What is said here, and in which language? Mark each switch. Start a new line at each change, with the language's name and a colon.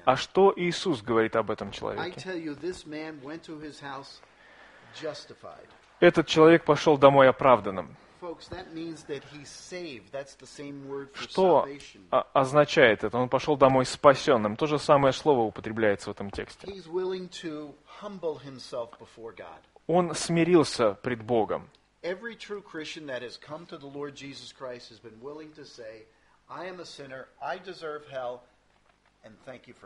Russian: А что Иисус говорит об этом человеке?
English: I tell you, this man went to his house justified.
Russian: Этот человек пошел домой оправданным.
English: Folks, that means that he's saved. That's the same word for
Russian: что
English: salvation.
Russian: Означает это? Он пошел домой спасенным. То же самое слово употребляется в этом тексте.
English: He's willing to humble himself before God.
Russian: Он смирился пред Богом.
English: Every true Christian that has come to the Lord Jesus Christ has been willing to say: I am a sinner, I deserve hell, and thank you for.